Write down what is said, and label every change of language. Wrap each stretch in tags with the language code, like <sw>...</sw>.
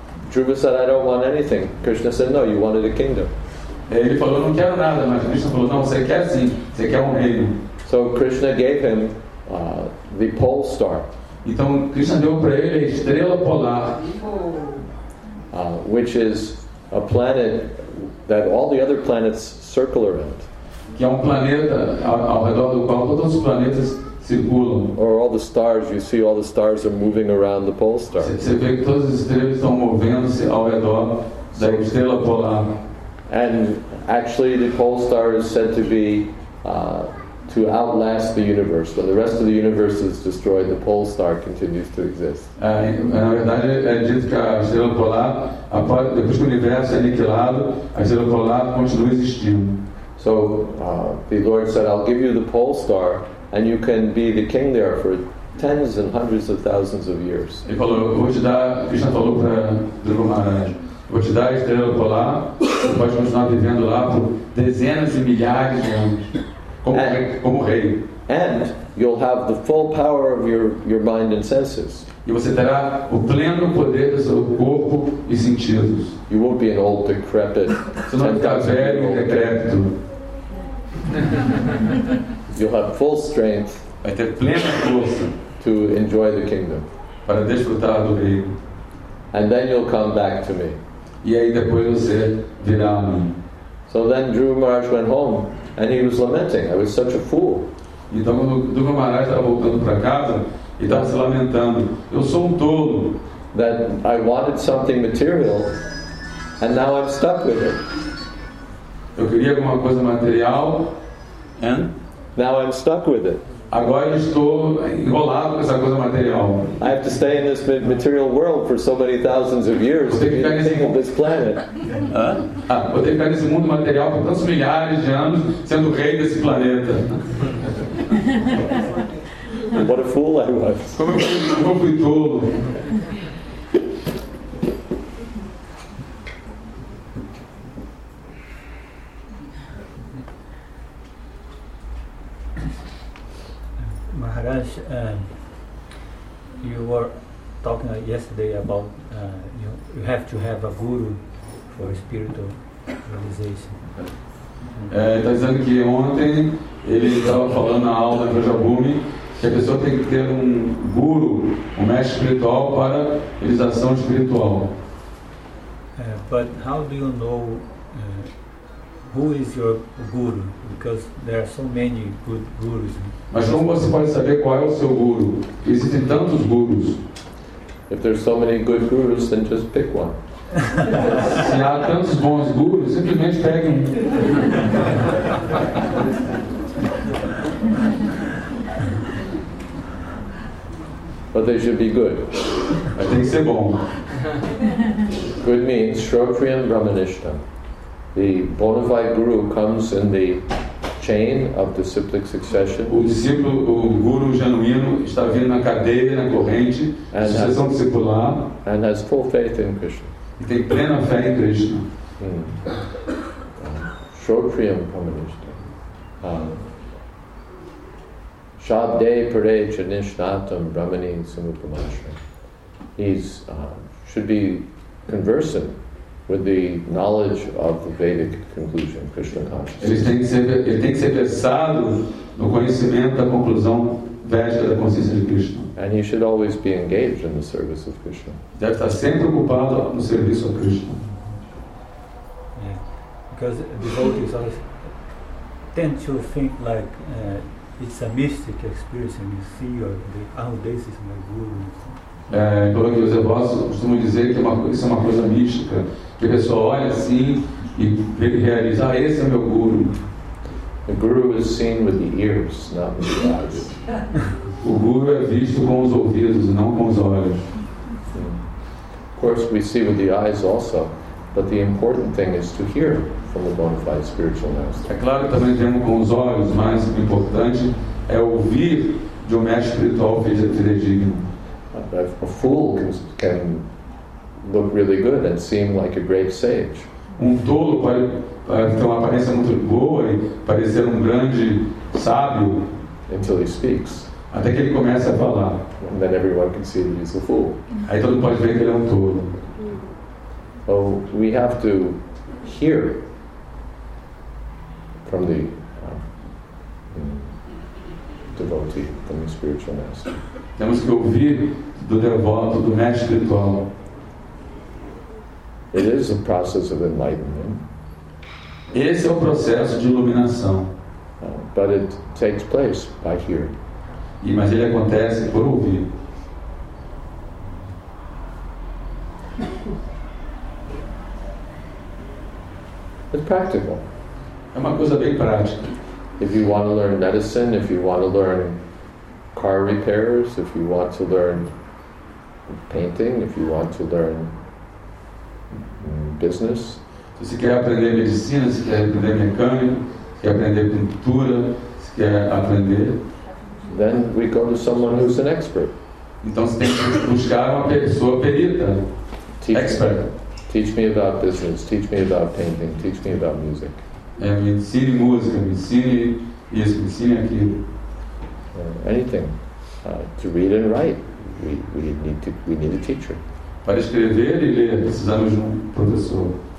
<en>Dhruva said, I don't want anything. Krishna said, no, you wanted a kingdom.</en> <pt>Ele falou, não quero nada, mas Krishna falou, não, você quer sim, você quer reino.</pt> <en>So Krishna gave him the pole star.</en> <pt>Então Krishna deu para ele a estrela polar.</pt> <en>Which is a planet that all the other planets circle around.</en> <pt>Que é planeta ao redor do qual todos os planetas circulam.</pt> <en>Or all the stars, you see all the stars are moving around the pole star.</en> <pt>Você vê que todas as estrelas estão movendo-se ao redor da estrela polar.</pt> <en>And actually the pole star is said to be to outlast the universe. When the rest of the universe is destroyed, the pole star continues to exist.</en> <pt>Na verdade é dito que a estrela polar, depois que o universo é aniquilado, a estrela polar continua existindo.</pt> <en>So the Lord said, I'll give you the pole star and you can be the king there for tens and hundreds of thousands of years.</en> <pt>Ele falou, Krishna falou para Dhruva Maharaj, vou te dar a estrela polar, você pode continuar vivendo lá por dezenas de milhares de anos. Como rei.</pt> <en>And you'll have the full power of your mind and senses.</en> <pt>E você terá o pleno poder do seu corpo e sentidos.</pt> <en>You won't be an old decrepit.</en> <pt>Você não ficar velho e decrépito.</pt> <en>You'll have full strength.</en> <pt>Vai ter plena força.</pt> <en>To enjoy the kingdom.</en> <pt>Para desfrutar do reino.</pt> <en>And then you'll come back to me.</en> <pt>E aí depois você virá a mim.</pt> <en>So then Dhruva Maharaj went home. And he was lamenting. I was such a fool.</en> <pt>Então quando Dhruva Maharaj estava voltando para casa, ele estava se lamentando. Eu sou tolo.</pt> <en>That I wanted something material, and now I'm stuck with it.</en> <pt>Eu queria alguma coisa material,</pt> <en>and now I'm stuck with it.</en> <pt>Agora eu estou enrolado com essa coisa material.</pt> <en>I have to stay in this material world for so many thousands of years.</en> <pt>Vou ter que ficar nesse</pt> <en>this planet.</en> <pt>Vou ter que ficar nesse mundo material por tantos milhares de anos, sendo rei desse planeta.</pt> <en>What a fool I was.</en> <pt>Como fui tolo.</pt> <en>Maharaj, you were talking yesterday about you have to have a guru for spiritual realization.</en> <pt>Está dizendo que ontem ele estava falando na aula da Jabumi que a pessoa tem que ter guru, mestre espiritual para realização espiritual.</pt> <en>But how do you know who is your guru? Because there are so many good gurus.</en> <pt>Mas como você pode saber qual é o seu guru? Existem tantos gurus.</pt> <en>If there are so many good gurus, then just pick one.</en> <pt>Se há tantos bons gurus, simplesmente pegue um.</pt> <en>But they should be good.</en> <pt>Tem que ser bom.</pt> <en>Good means</en> <sa>Shrotriyam Brahmanishtam.</sa> <en>The bona fide guru comes in the chain of disciplic succession.</en> <pt>O discípulo, o guru genuíno está vindo na cadeia, na corrente, and sucessão has, discipular.</pt> <en>And has full faith in Krishna.</en> <pt>E tem plena fé em Krishna.</pt> <sa>Shrotriyam Brahmanishtam. Shabde Pare Chanishnatam Brahmani Samupamashram.</sa> <en>He's should be conversant with the knowledge of the Vedic conclusion, Krishna consciousness.</en> <pt>Ele tem que ser versado no conhecimento da conclusão védica da consciência de Krishna.</pt> <en>And he should always be engaged in the service of Krishna.</en> <pt>Deve estar sempre ocupado no serviço a Krishna.</pt> <en>Because devotees always tend to think like it's a mystic experience and you see or the this is my guru.</en> <pt>Pelo que os devotos costumam dizer que isso é uma coisa mística, que a pessoa olha assim e vê que realiza, ah, esse é meu guru.</pt> <en>The guru is seen with the ears, not with the eyes.</en> <pt>O guru é visto com os ouvidos e não com os olhos.</pt> <en>Of course we see with the eyes also, but the important thing is to hear from a bona fide spiritual master.</en> <pt>É claro que também vemos com os olhos, mas o importante é ouvir de um mestre espiritual fidedigno.</pt> <en>A fool can look really good and seem like a great sage.</en> <pt>Um tolo pode ter uma aparência muito boa e parecer um grande sábio.</pt> <en>Until he speaks.</en> <pt>Até que ele comece a falar.</pt> <en>And then everyone can see that he's a fool.</en> <pt>Aí todo mundo pode ver que ele é um tolo.</pt> <en>So we have to hear from the devotee, from the spiritual master.</en> <pt>Temos que ouvir do devoto, do mestre espiritual.</pt> <en>It is a process of enlightenment.</en> <pt>Esse é o processo de iluminação.</pt> <en>But it takes place by hearing.</en> <pt>Mas ele acontece por ouvir.</pt> <en>It's practical.</en> <pt>É uma coisa bem prática.</pt> <en>If you want to learn medicine, if you want to learn car repairs, if you want to learn painting, if you want to learn business.</en> <pt>Se você quer aprender medicina, se quer aprender mecânica, se quer aprender pintura, se quer aprender.</pt> <en>Then we go to someone who's an expert.</en> <pt>Então você tem que buscar uma pessoa perita, expert.</pt> <en>Teach me about business, teach me about painting, teach me about music.</en> <pt>Me ensine música, me ensine isso, me ensine aquilo.</pt> <en>Anything. To read and write, we need a teacher.</en> <pt>Para escrever e ler, precisamos de professor.</pt>